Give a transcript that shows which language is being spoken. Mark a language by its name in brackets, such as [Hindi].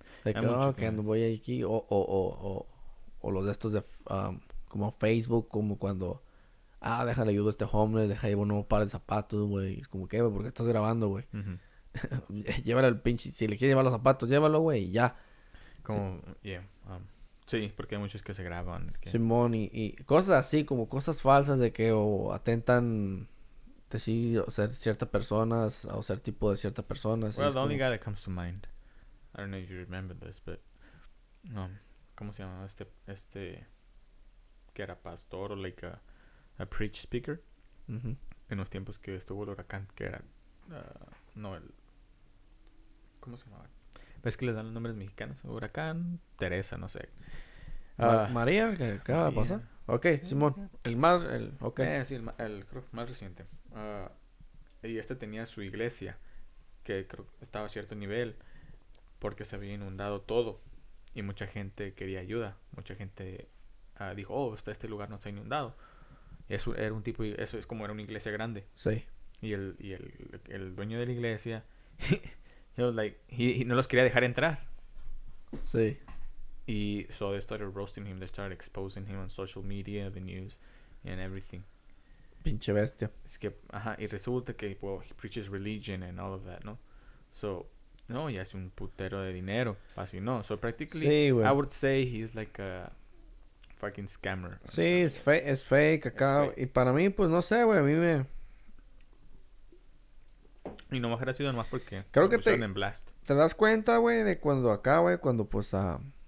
[Spanish] De que, oh, que ando voy aquí, o los de estos de, como Facebook, como cuando, ah, déjale ayuda a este homeless, deja llevar un nuevo par de zapatos, güey, es como que, güey, ¿por qué estás grabando, güey? Ajá. Mm-hmm. Llévalo al pinche. Si le quieres llevar los zapatos, llévalo, güey, y ya. Como, sí. Yeah. Sí, porque hay muchos que se graban. Que... Simón, y cosas así, como cosas falsas de que o atentan de sí, o ser ciertas personas, o ser tipo de ciertas personas. [English] Well, the [Spanish] como... [English] only guy that comes to mind, I don't know if you remember this, but. [Spanish] ¿Cómo se llamaba este? Que era pastor, o [English] like a preach speaker. Mm-hmm. [Spanish] En los tiempos que estuvo el huracán, que era. No, el... ¿Cómo se llamaba? ¿Ves que les dan los nombres mexicanos? Huracán, Teresa, no sé. ¿María? ¿Qué va a pasar? Ok, sí, Simón. Okay. El más... El, okay. Sí, el creo, más reciente. Y este tenía su iglesia, que creo estaba a cierto nivel, porque se había inundado todo. Y mucha gente quería ayuda. Mucha gente dijo, oh, este lugar no está inundado. Y eso era un tipo... Eso es como era una iglesia grande. Sí. Y el dueño de la iglesia, [English] he was like, [Spanish] he no los quería dejar entrar. Sí. Y [English] so they started roasting him, they started exposing him on social media, the news, and everything. [Spanish] Pinche bestia. Es que, ajá, y resulta que, [English] well, he preaches religion and all of that, ¿no? [Spanish] So, no, ya es un putero de dinero, así, ¿no? [English] So practically, [Spanish] sí, [English] I would say he's like a fucking scammer. [Spanish] Sí, es fake, acá, y para mí, pues, no sé, güey, a mí me... Y no mejor ha sido nomás porque... Creo que en blast. Te das cuenta, güey, de cuando acá, güey, cuando pues a...